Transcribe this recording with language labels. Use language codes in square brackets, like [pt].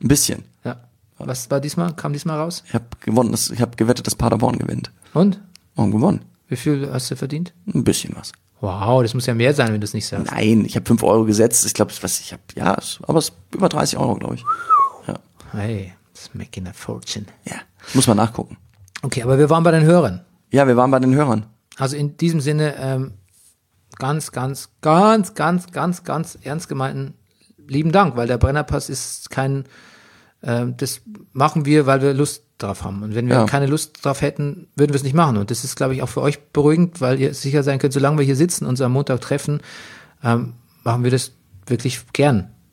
[de] Ein bisschen. Ja. Was war diesmal? Kam diesmal raus? Ich habe gewonnen. Ich habe gewettet, dass Paderborn gewinnt. Und? Und gewonnen. Wie viel hast du verdient? Ein bisschen was. Wow, das muss ja mehr sein, wenn du es nicht sagst. Nein, ich habe 5 Euro gesetzt. Ich glaube, was ich habe, ja, aber es ist über 30 Euro, glaube ich. Ja. [en] Hey, it's making a fortune. [de] Ja, muss man nachgucken. Okay, aber wir waren bei den Hörern. Ja, wir waren bei den Hörern. Also in diesem Sinne, ganz, ganz, ganz, ganz, ganz, ganz ernst gemeinten lieben Dank, weil der Brennerpass ist kein, das machen wir, weil wir Lust drauf haben. Und wenn wir keine Lust drauf hätten, würden wir es nicht machen. Und das ist, glaube ich, auch für euch beruhigend, weil ihr sicher sein könnt, solange wir hier sitzen und uns am Montag treffen, machen wir das wirklich gern.